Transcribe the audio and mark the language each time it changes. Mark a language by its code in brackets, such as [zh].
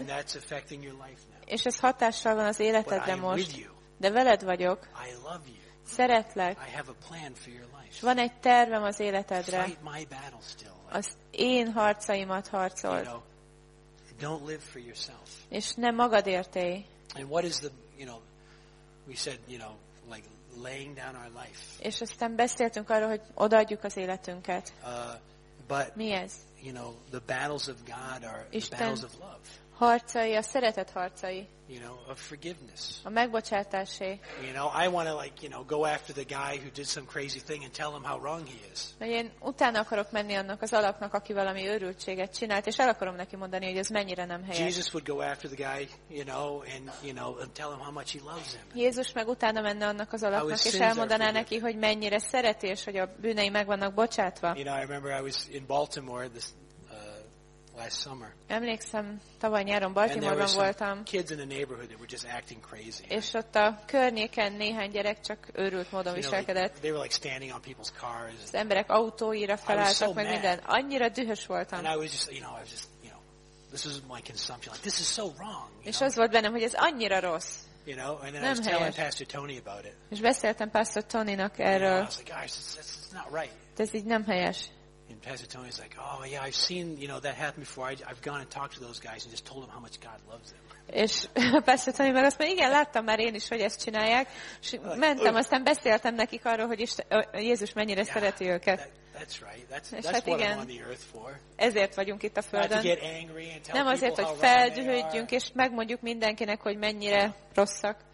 [en] And that's affecting your life now. [hu] És ez hatással van az életedre [en] But [hu] most. [en] I am with you. [hu] De veled vagyok. [en] I love you. [hu] Szeretlek. [en] I have a plan for your life. [hu] És van egy tervem az életedre. [en] Fight my battle still. [hu] Az én harcaimat harcold. [en] You know, don't live for yourself. [hu] És ne magadért élj. [en] And what is the, you know, we said, you know, like laying down our life. [hu] És aztán beszéltünk arról, hogy odaadjuk az életünket. [en] But [hu] mi ez? [en] You know, the battles of God are [hu] Isten [en] the battles of love. [hu] Harcai, a szeretet harcai. [en] You know, of forgiveness. [hu] A megbocsátásé. [en] You know, I want to like, you know, go after the guy who did some crazy thing and tell him how wrong he is. [hu] Én utána akarok menni annak az alaknak, aki valami őrültséget csinált, és el akarom neki mondani, hogy ez mennyire nem helyes. [en] Jesus would go after the guy, you know, and you know, and tell him how much he loves him. [hu] Jézus meg utána menne annak az alaknak, és elmondaná neki, hogy mennyire szereti, és hogy a bűnei meg vannak bocsátva. [en] You know, I remember I was in Baltimore this last summer. [hu] Emlékszem, tavaly nyáron Baltimore-ban voltam. [en] Kids in the neighborhood that were just acting crazy. [hu] És ott a környéken néhány gyerek csak őrült módon viselkedett. [en] They were like standing on people's cars. [hu] Az emberek autóira felálltak, meg minden. Annyira dühös voltam. [en] And I was just, you know, I was just, you know, this is my consumption. Like, this is so wrong. [hu] És az volt bennem, hogy ez annyira rossz. [en] You know, and then I was telling Pastor Tony about it. [hu] És beszéltem Pastor Tonynak erről. [en] I was like, guys, it's not right. [hu] Ez így nem helyes. [en] And Pastor Tony's like, oh yeah, I've seen, you know, that happen before. I've gone and talked to those guys and just told them how much God loves them. [hu] És Pastor Tony meg azt mondja, igen, láttam már én is, hogy ezt csinálják. És mentem, aztán beszéltem nekik arról, hogy Jézus mennyire szereti őket. [en] That's right. That's what I'm on the earth for. [hu] Ezért vagyunk itt a Földön. [en] Not to get angry and tell [hu] nem azért, hogy feldühödjünk, és megmondjuk mindenkinek, hogy mennyire rosszak.